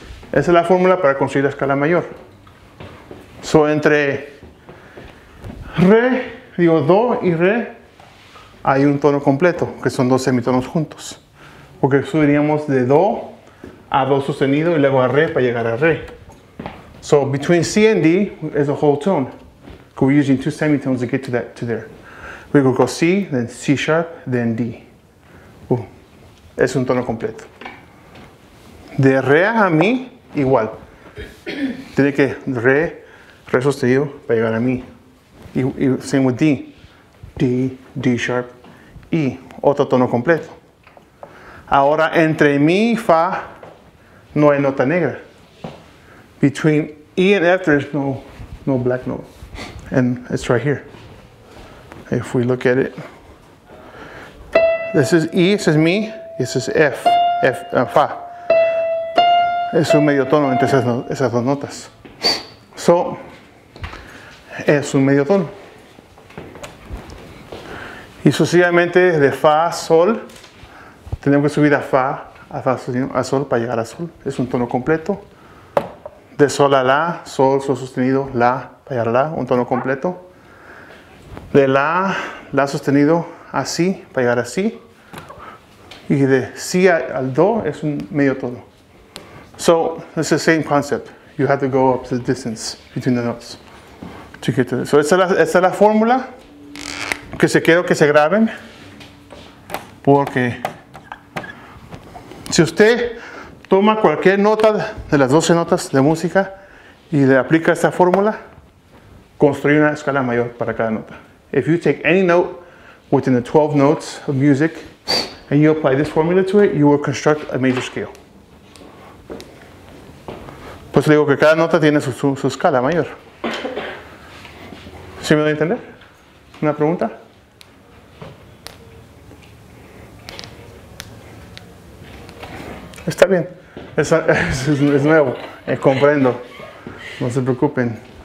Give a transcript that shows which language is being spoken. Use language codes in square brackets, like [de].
[es] Esa es la fórmula para construir la escala mayor. So, entre do y re, hay un tono completo, que son dos semitonos juntos. Porque subiríamos de do a do sostenido y luego a re para llegar a re. [en] So, between C and D is a whole tone. We're using two semitones to get to there. We could go C, then C sharp, then D. [es] Es un tono completo. De re a mi, igual. Tiene que re sostenido para llegar a mi. Y [en] same with D. D, D sharp, E. [es] Otro tono completo. Ahora, entre mi y fa, no hay nota negra. [en] Between E and F, there's no black note. And it's right here. If we look at it, this is E, this is mi, this is F, F, fa. [es] Es un medio tono entre esas dos notas. So, es un medio tono. Y sucesivamente de fa a sol, tenemos que subir a fa sol para llegar a sol. Es un tono completo. De sol a la, sol sostenido, la, para llegar a la, un tono completo. De la sostenido a si, para llegar a si. Y de si al do es un medio tono. [en] So, it's the same concept. You have to go up the distance between the notes to get to this. [es] So, esta es la fórmula que se quiero que se graben. Porque si usted toma cualquier nota de las 12 notas de música y le aplica esta fórmula, construye una escala mayor para cada nota. [en] If you take any note within the 12 notes of music and you apply this formula to it, you will construct a major scale. [es] Pues le digo que cada nota tiene su escala mayor. ¿Sí me doy a entender? ¿Una pregunta? Está bien. Es nuevo. Comprendo. No se preocupen.